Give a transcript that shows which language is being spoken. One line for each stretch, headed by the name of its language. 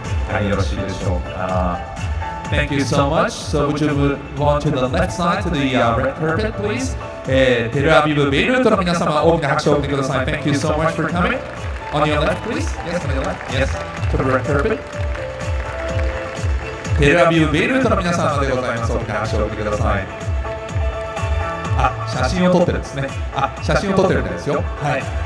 Japanese: はい、よろしいでしょうか。
English: Thank you so much. So would you move on to the left side, to the red carpet, please?
Japanese: テルアビブ・ベイルートの皆様、大きな拍手をお送りください。
English: Thank you so much for coming. On your left, please. Yes, on your left. Yes, to the red carpet.
Japanese: テルアビブ・ベイルートの皆さんでございます。お話を聞いてください。あ、写真を撮ってるんですね。あ、写真を撮ってるんですよ。はい。